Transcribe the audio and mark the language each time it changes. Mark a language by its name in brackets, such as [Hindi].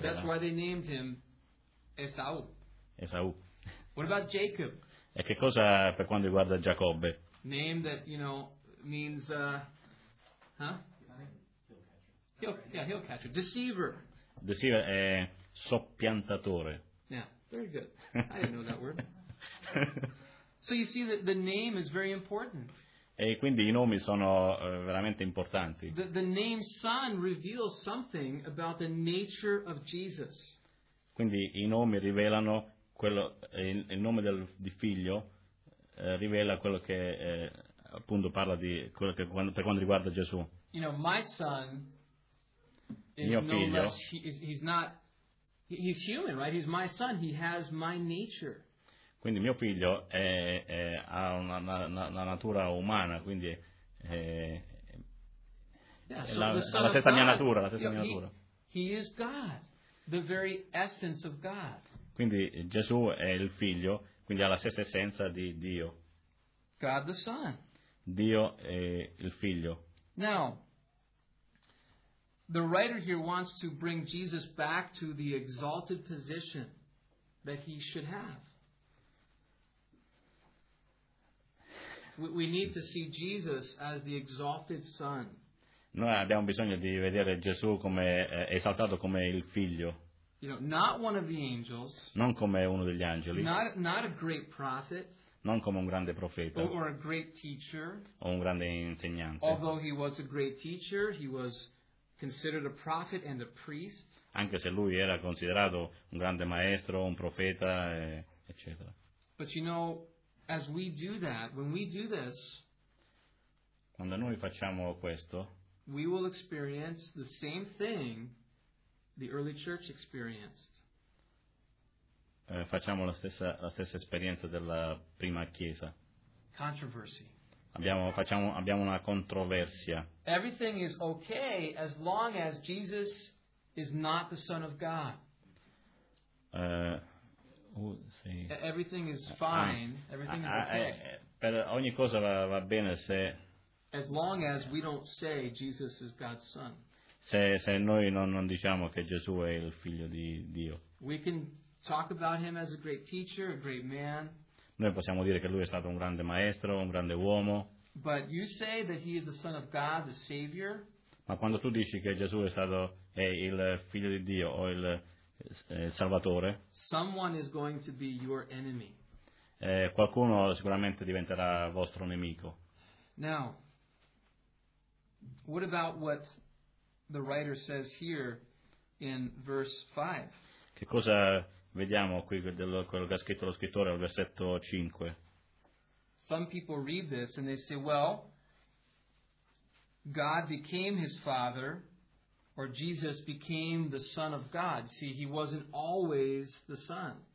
[English] That's why they named him Esau. [Italian] Esau. [English] What about Jacob? [Italian] E che cosa per quanto riguarda Giacobbe? [English] Name that, you know, means he'll catch it. Deceiver. [Italian] Deceiver è soppiantatore. [English] Yeah, very good. I didn't know that word. So you see that the name is very important. [Italian] E quindi i nomi sono veramente importanti. [English] The name son reveals something about the nature of Jesus. [Italian] Quindi i nomi rivelano quello, il nome di figlio rivela quello che appunto parla di quello che per quanto riguarda Gesù. [English] You know, my son is [Italian] mio no figlio, [English] less, he's human, right? He's my son, he has my nature. [Italian] Quindi mio figlio ha una natura umana, quindi è la stessa mia natura. [English] He is God, the very essence of God. [Italian] Quindi Gesù è il figlio, quindi ha la stessa essenza di Dio. [English] God the Son. [Italian] Dio è il figlio. [English] Now, the writer here wants to bring Jesus back to the exalted position that he should have. We need to see Jesus as the exalted Son. [Italian] Noi abbiamo bisogno di vedere Gesù come esaltato come il figlio. [English] You know, not one of the angels. [Italian] Non come uno degli angeli. [English] Not a great prophet. [Italian] Non come un grande profeta. [English] Or a great teacher. [Italian] O un grande insegnante. [English] Although he was a great teacher, he was considered a prophet and a priest. [Italian] Anche se lui era considerato un grande maestro, un profeta, eccetera. [English] But you know, as we do that, when we do this, [Italian] quando noi facciamo questo, [English] we will experience the same thing the early church experienced. [Italian] Facciamo la stessa esperienza della prima chiesa. [English] Controversy. [Italian] Abbiamo una controversia. [English] Everything is okay as long as Jesus is not the Son of God. Everything is fine. Everything is okay. [Italian] Per ogni cosa va bene se [English] As long as we don't say Jesus is God's son. [Italian] Se noi non diciamo che Gesù è il figlio di Dio. [English] We can talk about him as a great teacher, a great man. [Italian] Noi possiamo dire che lui è stato un grande maestro, un grande uomo. [English] But you say that he is the son of God, the savior. [Italian] Ma quando tu dici che Gesù è stato il figlio di Dio o il Salvatore, [English] someone is going to be your enemy. [Italian] Qualcuno sicuramente diventerà vostro nemico. [English] Now, what about what the writer says here in verse 5? [Italian] Che cosa vediamo qui quello che ha scritto lo scrittore al versetto 5? [English] Some people read this and they say, well, God became his father, or Jesus became the son of God. See, he wasn't always the son.